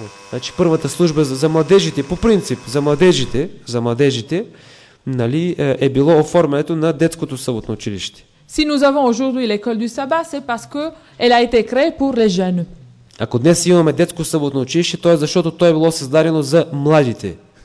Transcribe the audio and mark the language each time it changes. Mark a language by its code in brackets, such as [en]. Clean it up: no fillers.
[bg] Значи, първата служба за младежите, по принцип, за младежите, нали, е било оформянето на детското съботно училище. [fr] Si nous avons aujourd'hui l'école du sabbat, c'est parce que elle a été créée pour les jeunes. [bg] Ако днес имаме детско съботно училище, то е защото то е било създадено за младите.